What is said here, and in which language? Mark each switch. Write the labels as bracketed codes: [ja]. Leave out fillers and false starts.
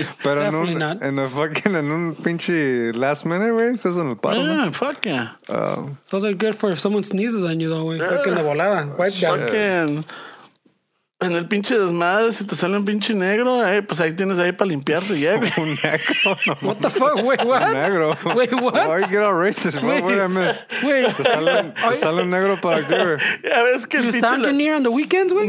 [es] Pero en un pinche last minute, güey, estás en el paro. [en] Yeah, man. Fuck yeah. Those are good for if someone sneezes on you, though, güey. [es] Fucking la volada. [en] Fucking... [es] En el pinche desmadre, si te sale un pinche negro, pues ahí tienes ahí para limpiarte, ya, güey. Un negro. [en] No. What the fuck, güey, what? [es] Un negro. [en] Güey, what? Why you get all racist, bro? What a mess. [es] Güey. Te sale un negro para qué, güey. Ya ves que el pinche... [en] ¿Do you sound engineer on the weekends, güey?